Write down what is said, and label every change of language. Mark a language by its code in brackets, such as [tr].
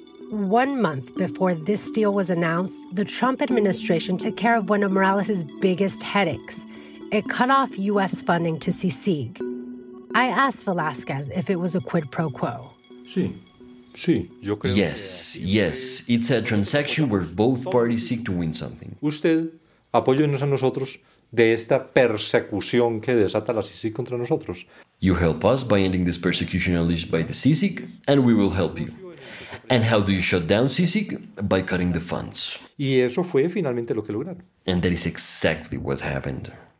[en] 1 month before this deal was announced, the Trump administration took care of one of Morales' biggest headaches. It cut off U.S. funding to CICIG. I asked Velasquez if it was a quid pro quo. Yes, yes. It's a transaction where both parties seek to win something. [es] Usted apóyenos a nosotros de esta persecución que desata la CICIG contra nosotros. [en] You help us by ending this persecution unleashed by the CICIG, and we will help you. And how do you shut down CICIG? By cutting the funds. [es] Y eso fue finalmente lo que lograron. [en] And that is exactly what happened.